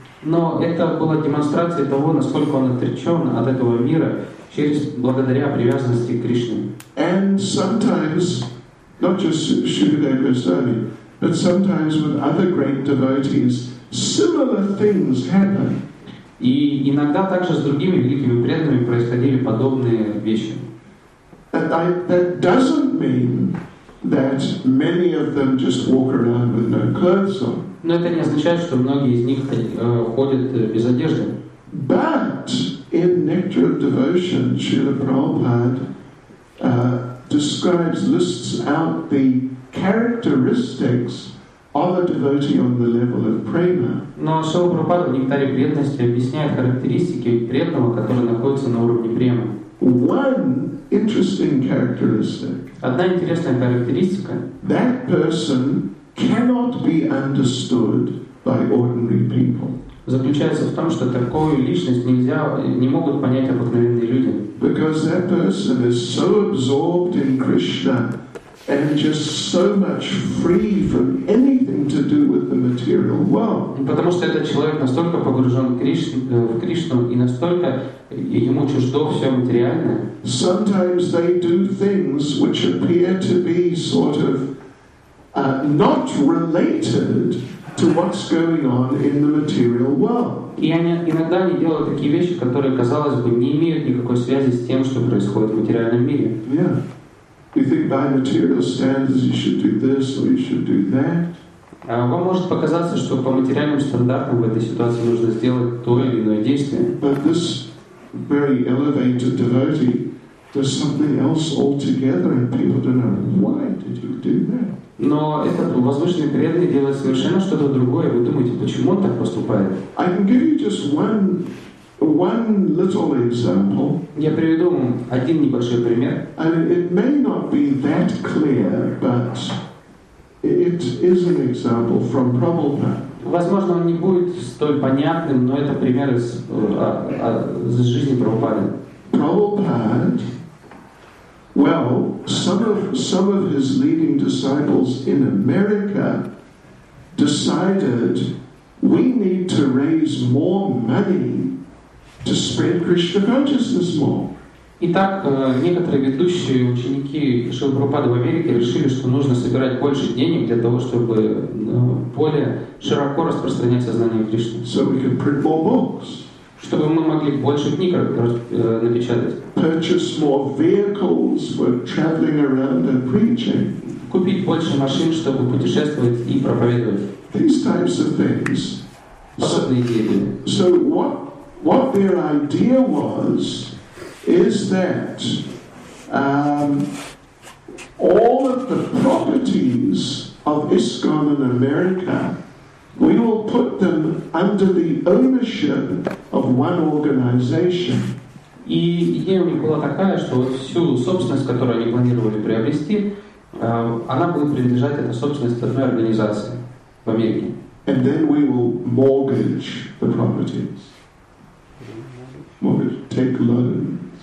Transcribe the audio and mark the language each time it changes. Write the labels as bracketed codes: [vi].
[ru] Но это была демонстрация того, насколько он отречен от этого мира через благодаря привязанности к Кришне. [en] And sometimes, not just Shukadeva Goswami, but sometimes with other great devotees, similar things happen. [ru] И иногда также с другими великими преданными происходили подобные вещи. [en] That doesn't mean that many of them just walk around with no clothes on. [ru] Но это не означает, что многие из них ходят без одежды. [en] But in Nectar of Devotion, Srila Prabhupada describes, lists out the characteristics of a devotee on the level of prema. [ru] Но Шрила Прабхупада в Нектаре преданности объясняет характеристики преданного, который находится на уровне премы. [en] One interesting characteristic. [ru] Одна интересная характеристика. [en] That person cannot be understood by ordinary people. [ru] Заключается в том, что такую личность нельзя, не могут понять обыкновенные люди. [en] Because that person is so absorbed in Krishna and just so much free from anything to do with the material world. [ru] Потому что этот человек настолько погружен в Кришну и настолько ему чуждо все материальное. [en] Sometimes they do things which appear to be sort of not related to what's going on in the material world. [ru] И они иногда не делают такие вещи, которые, казалось бы, не имеют никакой связи с тем, что происходит в материальном мире. [en] Yeah. You think by material standards you should do this or you should do that. [ru] Вам может показаться, что по материальным стандартам в этой ситуации нужно сделать то или иное действие. [en] But this very elevated devotee does something else altogether, and people don't know why did you do that. [ru] Но этот возвышенный преданный делает совершенно что-то другое. Вы думаете, почему он так поступает? [en] I can give you just one little example. [ru] Я приведу вам один небольшой пример. [en] And it may not be that clear, but it is an example from Prabhupada. [ru] Возможно, он не будет столь понятным, но это пример из жизни Прабхупады. [en] Prabhupada, well, some of his leading disciples in America decided we need to raise more money to spread Krishna consciousness more. [ru] Итак, некоторые ведущие ученики Шрилы Прабхупады в Америке решили, что нужно собирать больше денег для того, чтобы более широко распространять сознание Кришны. [en] So we can print more books. [ru] Чтобы мы могли больше книг напечатать. [en] Purchase more vehicles for traveling around and preaching. [ru] Купить больше машин, чтобы путешествовать и проповедовать. [en] These types of things. [ru] Подобные идеи. [en] So what their idea was is that all of the properties of ISKCON in America, we will put them under the ownership of one organization. [ru] И идея у них была такая, что всю собственность, которую они планировали приобрести, она будет принадлежать эта собственность одной организации в Америке. [en] And then we will mortgage the properties. Mortgage, take loans.